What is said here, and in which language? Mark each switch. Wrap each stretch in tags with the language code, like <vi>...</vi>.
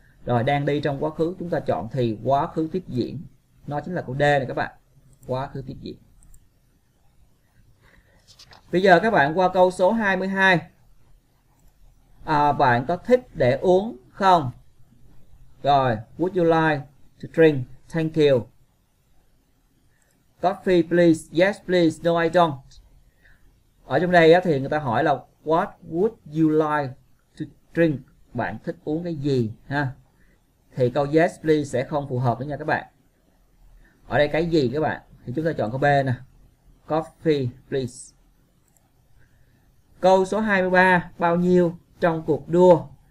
<vi>Rồi đang đi trong quá khứ, chúng ta chọn thì quá khứ tiếp diễn. Nó chính là câu D này các bạn. Quá khứ tiếp diễn. Bây giờ các bạn qua câu số 22. Bạn có thích để uống không?</vi> <en>Rồi, would you like to drink? Thank you. Coffee please, yes please, no I don't.</en> <vi>Ở trong đây thì người ta hỏi là</vi> <en>what would you like to drink?</en> <vi>Bạn thích uống cái gì ha? Thì câu</vi> <en>yes please</en> <vi>sẽ không phù hợp nữa nha các bạn. Ở đây cái gì các bạn? Thì chúng ta chọn câu B nè.</vi> <en>Coffee please.</en> <vi>Câu số 23, bao nhiêu trong cuộc đua?</vi>